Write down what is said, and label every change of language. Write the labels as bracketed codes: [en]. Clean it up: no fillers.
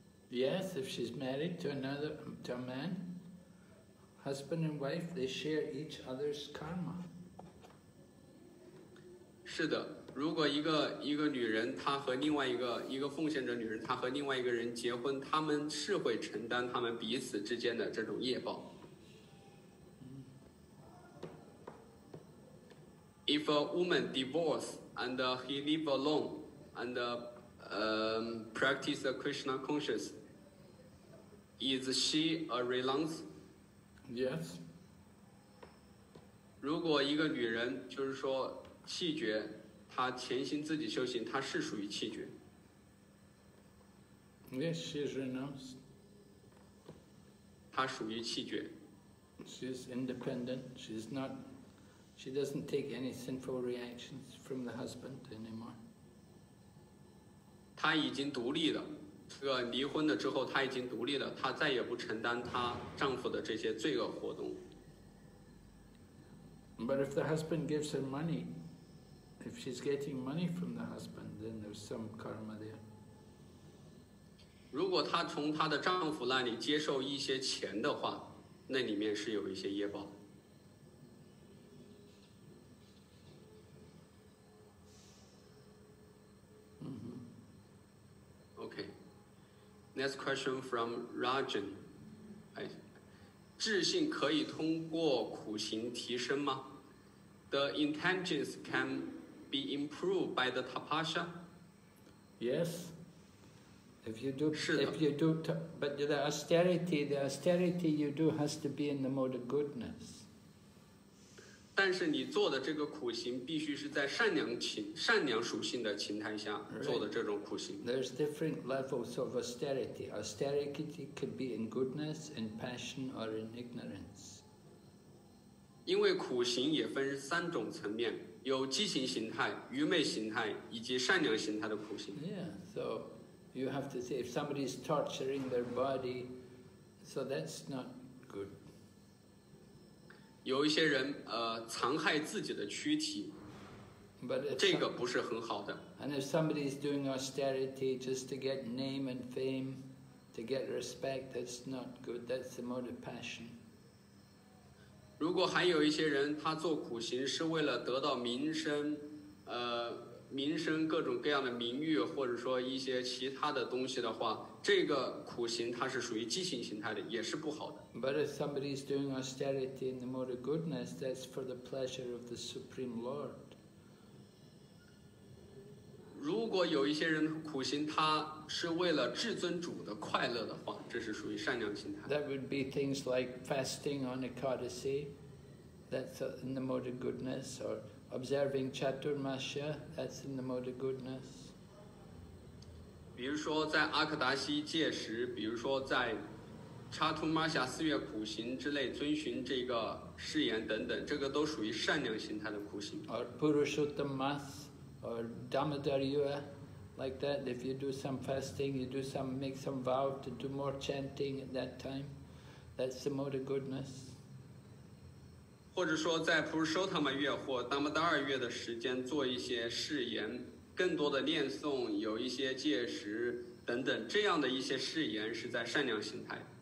[en] Yes, if she's married to a man, husband and wife, they share each other's karma. [zh] 是的，如果一个女人，她和另外一个奉献者女人，她和另外一个人结婚，他们是会承担他们彼此之间的这种业报。 [en] If a woman divorces and he lives alone and practices Krishna consciousness, is she a renounce? Yes. [zh] 如果一个女人就是说弃绝，她潜心自己修行，她是属于弃绝。 [en] Yes, she is renounce. [zh] 她属于弃绝。 [en] She is independent. She is not. She doesn't take any sinful reactions from the husband anymore. [zh] 她已经独立了，这个离婚了之后，她已经独立了，她再也不承担她丈夫的这些罪恶活动。 [en] But if the husband gives her money, if she's getting money from the husband, then there's some karma there. [zh] 如果她从她的丈夫那里接受一些钱的话，那里面是有一些业报。 [en] Next question from Rajan. [zh] 智性可以通过苦行提升吗？ [en] The intelligence can be improved by the tapasya? Yes. But the austerity you do has to be in the mode of goodness. [zh] 但是你做的这个苦行必须是在善良属性的情态下做的这种苦行。 [en] Right. There's different levels of austerity. Austerity could be in goodness, in passion, or in ignorance. [zh] 因为苦行也分三种层面，有激情形态、愚昧形态以及善良形态的苦行。 [en] Yeah, so you have to say if somebody is torturing their body, so that's not good. [zh] 有一些人残害自己的躯体，这个不是很好的。 [en] And if somebody is doing austerity just to get name and fame, to get respect, that's not good. That's the mode of passion. [zh] 如果还有一些人他做苦行是为了得到名声，名声各种各样的名誉，或者说一些其他的东西的话，这个苦行它是属于激情形态的，也是不好的。 [en] But if somebody is doing austerity in the mode of goodness, that's for the pleasure of the Supreme Lord. [zh] 如果有一些人苦行，他是为了至尊主的快乐的话，这是属于善良形态。 [en] That would be things like fasting on Ekadasi, that's in the mode of goodness, or observing Chaturmasya, that's in the mode of goodness. [zh] 比如说在阿克达西戒时，比如说在查图玛夏四月苦行之类，遵循这个誓言等等，这个都属于善良形态的苦行。 [en] Or Purushottam Mas, or Damodariya, like that. If you do some fasting, you do some, make some vow to do more chanting at that time. That's the mode of goodness. [zh] 或者说在普鲁舍塔玛月或达摩达尔月的时间做一些誓言。更多的念诵，有一些戒食等等，这样的一些誓言是在善良心态。